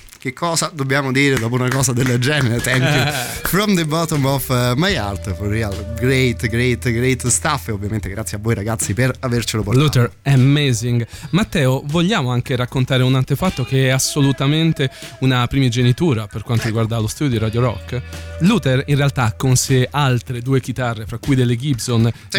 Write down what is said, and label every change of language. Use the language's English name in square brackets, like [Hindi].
[Italian] Che cosa dobbiamo dire dopo una cosa del genere? [English] Thank you. From the bottom of my heart, for real. Great, great, great stuff. [Italian] E ovviamente grazie a voi ragazzi per avercelo portato. [English] Luther, amazing. [Italian] Matteo, vogliamo anche raccontare un antefatto che è assolutamente una primigenitura per quanto riguarda lo studio di Radio Rock. Luther in realtà ha con sé altre due chitarre, fra cui delle Gibson. Sì.